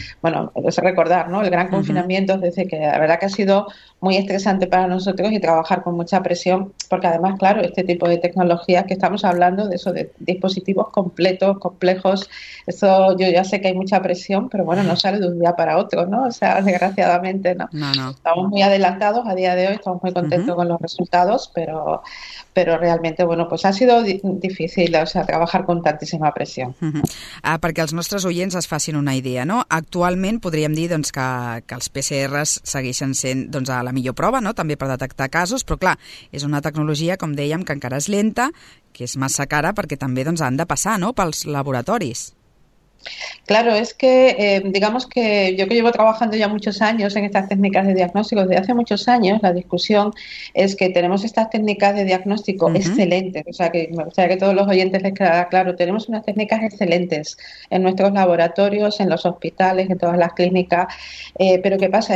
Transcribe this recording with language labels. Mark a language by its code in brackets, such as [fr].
[es] Bueno, es recordar, ¿no?, el gran confinamiento, es decir, que la verdad que ha sido muy estresante para nosotros y trabajar con mucha presión, porque además, claro, este tipo de tecnologías que estamos hablando, de esos dispositivos completos, complejos, eso yo ya sé que hay mucha presión, pero bueno, no sale de un día para otro, ¿no? O sea, desgraciadamente, ¿no? No, no. Estamos muy adelantados a día de hoy, estamos muy contentos con los resultados, pero realmente, bueno, pues ha sido difícil, o sea, trabajar con tantísima presión. [ca] Perquè els nostres oients es facin una idea, no? Actualment podríem dir, doncs, que els PCRs segueixen sent, doncs, a la millor prova, no?, també per detectar casos, però clar, és una tecnologia, com dèiem, que encara és lenta, que és massa cara, perquè també, doncs, han de passar, no?, pels laboratoris. [es] Claro, es que digamos que yo, que llevo trabajando ya muchos años en estas técnicas de diagnóstico, desde hace muchos años la discusión es que tenemos estas técnicas de diagnóstico excelentes, o sea, que me gustaría que todos los oyentes les quedara claro, tenemos unas técnicas excelentes en nuestros laboratorios, en los hospitales, en todas las clínicas, pero ¿qué pasa?